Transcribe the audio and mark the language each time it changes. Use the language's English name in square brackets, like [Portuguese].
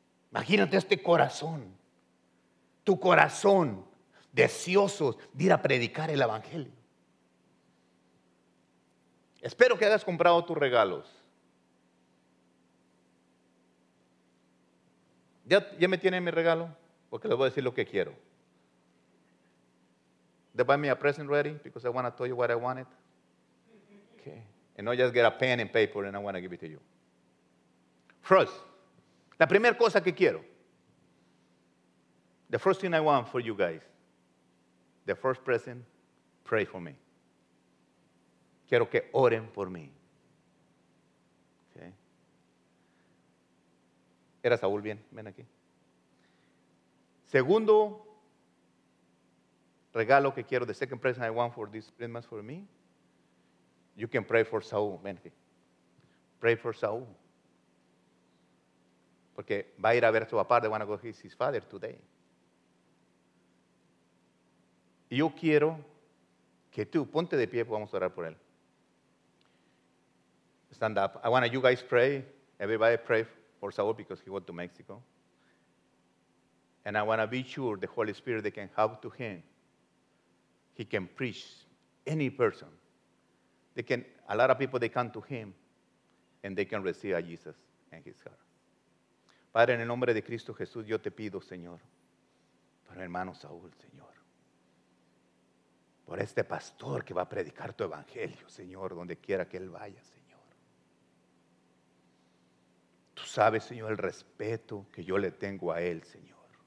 [Spanish] Imagínate este corazón, tu corazón deseoso de ir a predicar el evangelio. Espero que hayas comprado tus regalos. ¿Ya me tienen mi regalo? Porque les voy a decir lo que quiero. [English] They buy me a present ready because I want to tell you what I wanted. Okay. And not just get a pen and paper and I want to give it to you. First, la primera cosa que quiero. The first thing I want for you guys. The first present, pray for me. Quiero que oren por mí. Okay. Era Saúl, bien, ven aquí. Segundo regalo que quiero, the second present I want for this Christmas for me, you can pray for Saúl, ven aquí. Pray for Saúl. [Spanish] Porque va a ir a ver a su papá, they want to go see his father today. Y yo quiero que tú, ponte de pie, vamos a orar por él. [English] Stand up. I want you guys pray. Everybody pray for Saul because he went to Mexico. And I want to be sure the Holy Spirit can help to him. He can preach any person. They can, a lot of people, they come to him and they can receive a Jesus in his heart. [Spanish] Padre, en el nombre de Cristo Jesús, yo te pido, Señor, por mi hermano Saul, Señor, por este pastor que va a predicar tu evangelio, Señor, donde quiera que él vaya, Señor. Tú sabes, Señor, el respeto que yo le tengo a él, Señor.